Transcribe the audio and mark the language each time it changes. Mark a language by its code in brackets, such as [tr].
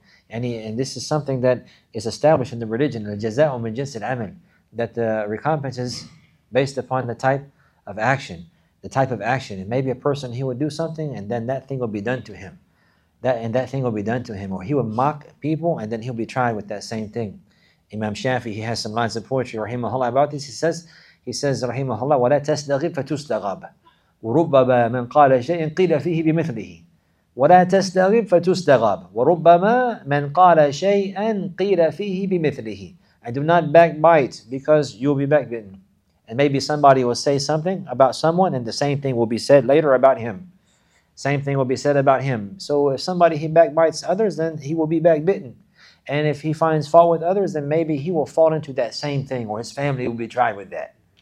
[en] And this is something that is established in the religion, [ar] al-jaza'u min jins al-amal, [en] that the recompense is based upon the type of action. And maybe a person, he would do something and then that thing will be done to him. Or he would mock people and then he'll be tried with that same thing. Imam Shafi, he has some lines of poetry, rahimahullah, about this. He says, rahimahullah, [ar] وَلَا تَسْتَغِبْ فَتُسْتَغَبْ وَرُبَّمَا مَنْ قَالَ شَيْءٍ قِيلَ فِيهِ بِمِثْلِهِ وَلَا تَسْتَغِبْ فَتُسْتَغَبْ وَرُبَّمَا مَنْ قَالَ شَيْءٍ قِيلَ فِيهِ بِمِثْلِهِ. [en] I do not backbite because you'll be backbitten. And maybe somebody will say something about someone and the same thing will be said later about him. Same thing will be said about him. So if somebody, he backbites others, then he will be backbitten. And if he finds fault with others, then maybe he will fall into that same thing, or his family will be tried with that.